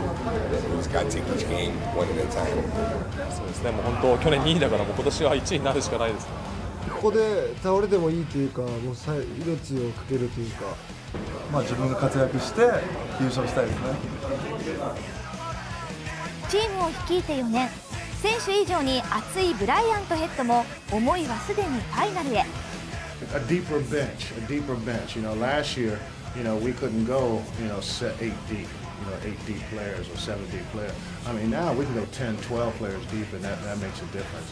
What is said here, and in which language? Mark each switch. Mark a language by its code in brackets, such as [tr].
[en] You just gotta take each game one at a time. [ja] そうですね。もう本当去年2位だから、もう今年は1位になるしかないです。ここで倒れてもいいというか、もう命をかけるというか、まあ自分が活躍して優勝したいですね。チームを率いて4年、選手以上に熱いブライアントヘッドも思いはすでにファイナルへ。 [en] A deeper bench, a deeper bench. You know, last year. You know, we couldn't go, you know, set eight deep, you know, eight deep players or seven deep players. I mean, now we can go 10, 12 players deep, and that makes a difference.